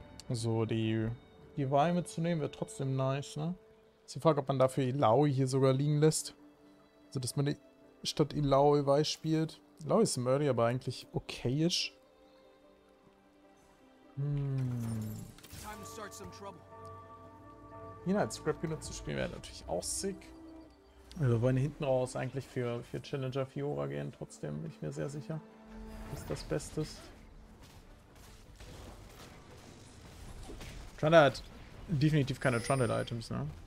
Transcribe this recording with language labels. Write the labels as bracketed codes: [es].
[de] So, die Wahl mitzunehmen wäre trotzdem nice, ne? Ist die Frage, ob man dafür Illaoi hier sogar liegen lässt. Also, dass man die statt Illaoi Wahl spielt. Illaoi ist im Early, aber eigentlich okayisch. [en] Time to start some trouble. [de] Hier als Scrap-Unit zu spielen, wäre natürlich auch sick. Wir wollen hinten raus eigentlich für Challenger Fiora gehen. Trotzdem bin ich mir sehr sicher, dass das Beste ist. Trundle hat definitiv keine Trundle-Items, ne?